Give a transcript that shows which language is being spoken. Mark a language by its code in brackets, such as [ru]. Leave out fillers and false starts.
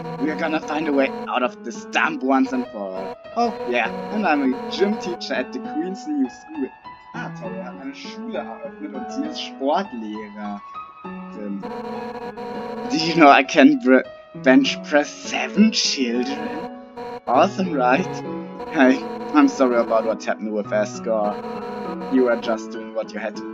[en] We're gonna find a way out of this dump once and for all. Oh, yeah, and I'm a gym teacher at the Queen's New School. [de] Ah, toll, wir haben eine Schule eröffnet und sie ist Sportlehrer. [en] Do you know I can bench press 7 children? Awesome, right? Hey, I'm sorry about what happened with Escor. You were just doing what you had to.